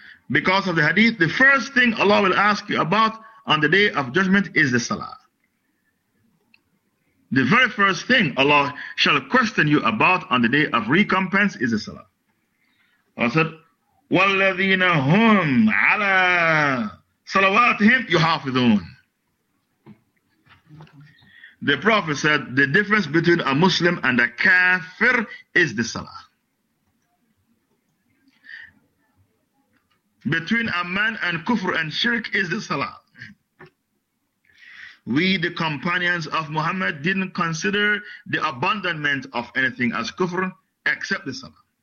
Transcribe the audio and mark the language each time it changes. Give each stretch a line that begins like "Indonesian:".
English: Because of the hadith, the first thing Allah will ask you about on the day of judgment is the salah. The very first thing Allah shall question you about on the day of recompense is the salah. Allah said,
Arabic: وَالَّذِينَ هُمْ عَلَىٰ صَلَوَاتِهِمْ يُحَافِظُونَ.
English: The Prophet said, the difference between a Muslim and a kafir is the salah. Between a man and kufr and shirk is the salah. We, the companions of Muhammad, didn't consider the abandonment of anything as kufr except the salah.